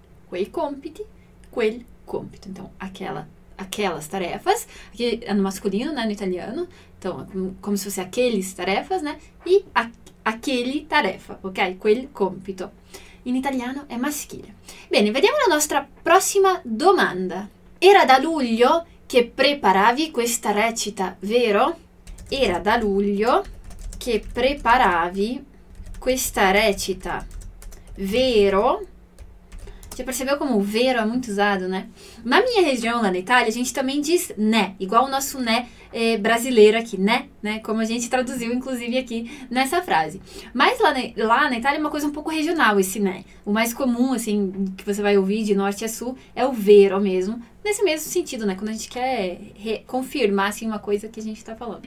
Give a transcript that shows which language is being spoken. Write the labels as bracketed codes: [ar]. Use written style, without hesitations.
[it] Quei compiti, quel compito. [pt] Então, aquelas tarefas, aqui é no masculino, né, no italiano, então é como se fosse aqueles tarefas, né, e aquele tarefa, ok? [it] Quel compito. In italiano è maschile. Bene, vediamo la nostra prossima domanda. Era da luglio che preparavi questa recita, vero? Era da luglio che preparavi questa recita, vero? [pt] Você percebeu como o vero é muito usado, né? Na minha região, lá na Itália, a gente também diz né, igual o nosso né brasileiro aqui, né? Né? Como a gente traduziu, inclusive, aqui nessa frase. Mas lá na Itália é uma coisa um pouco regional esse né. O mais comum, assim, que você vai ouvir de norte a sul é o vero mesmo, nesse mesmo sentido, né? Quando a gente quer confirmar, assim, uma coisa que a gente tá falando.